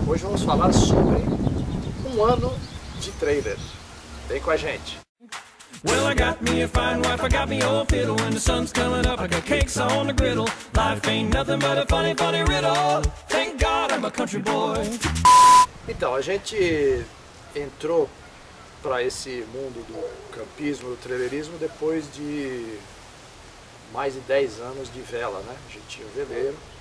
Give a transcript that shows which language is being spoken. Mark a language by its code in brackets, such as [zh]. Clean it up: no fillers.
[pt] Hoje vamos falar sobre um ano de trailer. Vem com a gente! [en] Well, I got me a fine wife, I got me old fiddle. When the sun's coming up, I got cakes on the griddle. Life ain't nothing but a funny, funny riddle. Thank God I'm a country boy. [pt] Então, a gente entrou para esse mundo do campismo, do trailerismo, depois de mais de 10 anos de vela, né? A gente tinha veleiro.